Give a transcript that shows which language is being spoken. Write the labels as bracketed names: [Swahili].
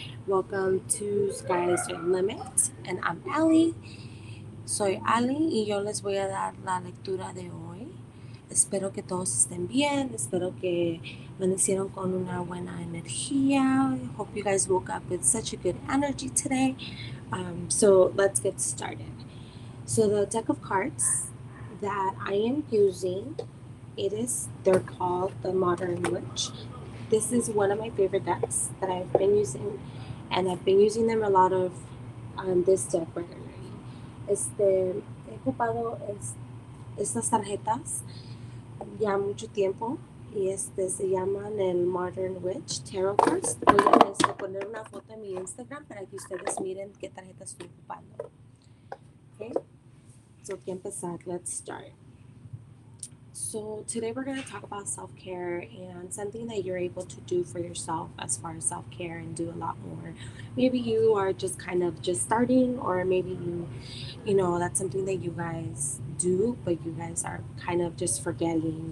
[English] Welcome to Sky is Your Limit, and I'm Ali. [Spanish] Soy Ali, y yo les voy a dar la lectura de hoy. Espero que todos estén bien. Espero que amanecieron con una buena energía. [English] I hope you guys woke up with such a good energy today. So let's get started. So the deck of cards that I am using, they're called the Modern Witch. This is one of my favorite decks that I've been using, and I've been using them a lot of this deck regularly. [Spanish] He ocupado estas tarjetas ya mucho tiempo, y se llaman el Modern Witch Tarot Cards. Voy a poner una foto en mi Instagram para que ustedes miren qué tarjetas estoy ocupando. [English] Okay. So to start, let's start. So today we're going to talk about self-care and something that you're able to do for yourself as far as self-care and do a lot more. Maybe you are just kind of just starting, or maybe you know, that's something that you guys do, but you guys are kind of just forgetting.